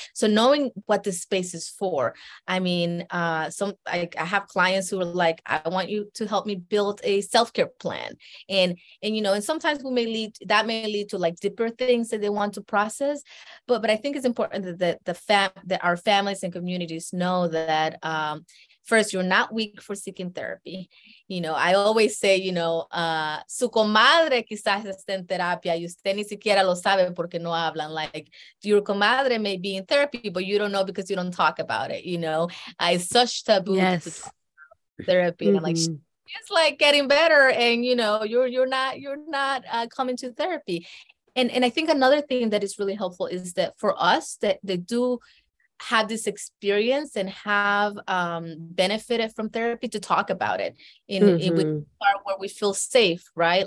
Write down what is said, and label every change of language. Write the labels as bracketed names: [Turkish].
[English] So knowing what this space is for, I mean, I have clients who are like, I want you to help me build a self-care plan. And you know, and sometimes that may lead to like deeper things that they want to process. But I think it's important that our families and communities know that, first, you're not weak for seeking therapy. You know, I always say, you know, [Spanish] su comadre quizás esté en terapia y usted ni siquiera lo sabe porque no hablan. [English] Like, your comadre may be in therapy, but you don't know because you don't talk about it. You know, it's such taboo. Yes. To talk about therapy. Mm-hmm. And I'm like, it's like getting better. And, you know, you're not coming to therapy. And I think another thing that is really helpful is that for us, that they do have this experience and have benefited from therapy to talk about it where we feel safe, right?